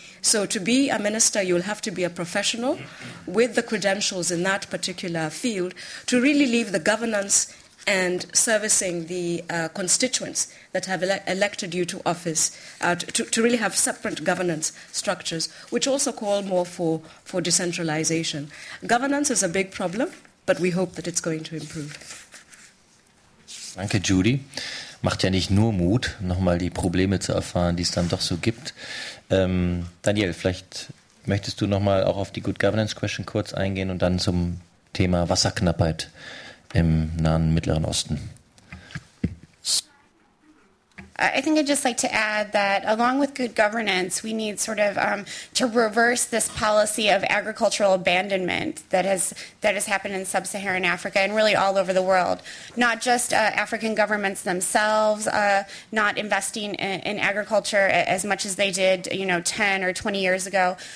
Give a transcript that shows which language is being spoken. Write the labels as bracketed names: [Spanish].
[English] So to be a minister, you'll have to be a professional with the credentials in that particular field to really leave the governance and servicing the constituents that have elected you to office to really have separate governance structures, which also call more for decentralization. Governance is a big problem, but we hope that it's going to improve. [German] Danke, Judy. Macht ja nicht nur Mut, nochmal die Probleme zu erfahren, die es dann doch so gibt. Daniel, vielleicht möchtest du nochmal auch auf die Good Governance Question kurz eingehen und dann zum Thema Wasserknappheit im nahen Mittleren Osten. [English] I think I'd just like to add that along with good governance, we need sort of to reverse this policy of agricultural abandonment that has happened in sub-Saharan Africa and really all over the world. Not just African governments themselves not investing in agriculture as much as they did, 10 or 20 years ago.